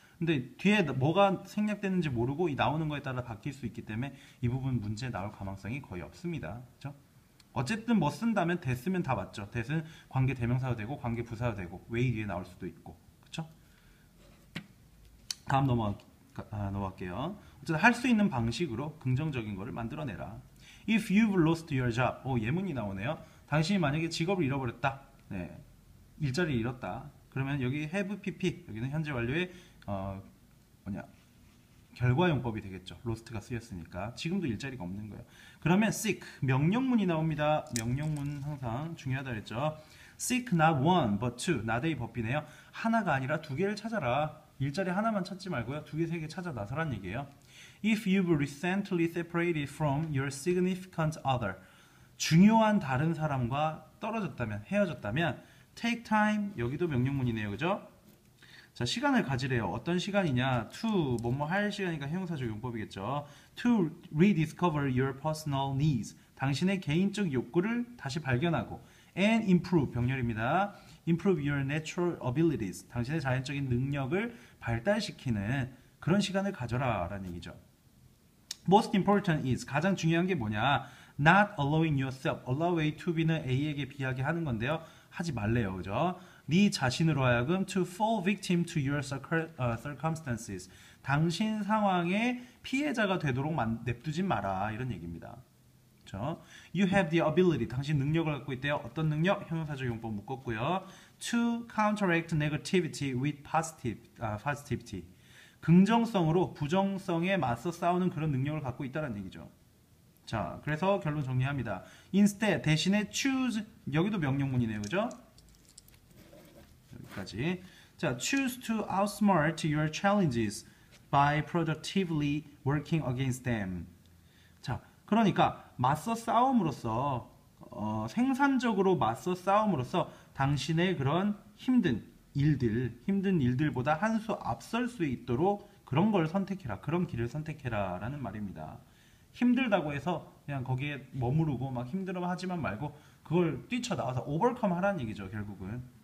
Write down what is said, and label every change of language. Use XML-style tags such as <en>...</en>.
<ko>근데 뒤에 뭐가 생략되는지 모르고 이 나오는 거에 따라 바뀔 수 있기 때문에 이 부분 문제 나올 가능성이 거의 없습니다. 그쵸? 어쨌든 뭐 쓴다면 됐으면 다 맞죠. 됐은 관계대명사도 되고 관계부사도 되고 way 뒤에 나올 수도 있고. 그쵸? 다음 넘어갈게요. 어쨌든 할수 있는 방식으로 긍정적인 거를 만들어내라.</ko> <en>If you've lost your job,</en> <ko>예문이 나오네요. 당신이 만약에 직업을 잃어버렸다, 네, 일자리를 잃었다, 그러면 여기 have PP, 여기는 현재 완료의 뭐냐, 결과형법이 되겠죠. lost가 쓰였으니까 지금도 일자리가 없는 거예요. 그러면 seek, 명령문이 나옵니다. 명령문 항상 중요하다 그랬죠.</ko> <en>seek not one but two, not a but b네요.</en> <ko>하나가 아니라 두 개를 찾아라. 일자리 하나만 찾지 말고요, 두 개, 세개 찾아 나서란 얘기예요.</ko> <en>If you've recently separated from your significant other,</en> <ko>중요한 다른 사람과 떨어졌다면, 헤어졌다면,</ko> <en>take time,</en> <ko>여기도 명령문이네요, 그죠? 자, 시간을 가지래요. 어떤 시간이냐? To, 뭐뭐 할 시간이니까 형용사적 용법이겠죠.</ko> <en>To rediscover your personal needs,</en> <ko>당신의 개인적 욕구를 다시 발견하고,</ko> <en>and improve,</en> <ko>병렬입니다.</ko> <en>Improve your natural abilities,</en> <ko>당신의 자연적인 능력을 발달시키는 그런 시간을 가져라라는 얘기죠.</ko> <en>Most important is</en> <ko>가장 중요한 게 뭐냐?</ko> <en>Not allowing yourself, allow A to B</en> <ko>는 A에게 비하게 하는 건데요. 하지 말래요, 그죠? 네 자신으로 하여금</ko> <en>to fall victim to your circumstances,</en> <ko>당신 상황에 피해자가 되도록 냅두지 마라 이런 얘기입니다. 그죠?</ko> <en>You have the ability,</en> <ko>당신 능력을 갖고 있대요. 어떤 능력? 형용사적 용법 묶었고요.</ko> <en>To counteract negativity with positivity.</en> <ko>긍정성으로 부정성에 맞서 싸우는 그런 능력을 갖고 있다는 얘기죠. 자, 그래서 결론 정리합니다.</ko> <en>Instead,</en> <ko>대신에</ko> <en>choose,</en> <ko>여기도 명령문이네요, 그죠? 여기까지. 자,</ko> <en>choose to outsmart your challenges. by productively working against them.</en> <ko>자, 그러니까 맞서 싸움으로써 생산적으로 맞서 싸움으로써 당신의 그런 힘든 일들보다 한수 앞설 수 있도록 그런 걸 선택해라. 그런 길을 선택해라라는 말입니다. 힘들다고 해서 그냥 거기에 머무르고 막 힘들어하지만 말고 그걸 뛰쳐나와서 오버컴 하라는 얘기죠, 결국은.</ko>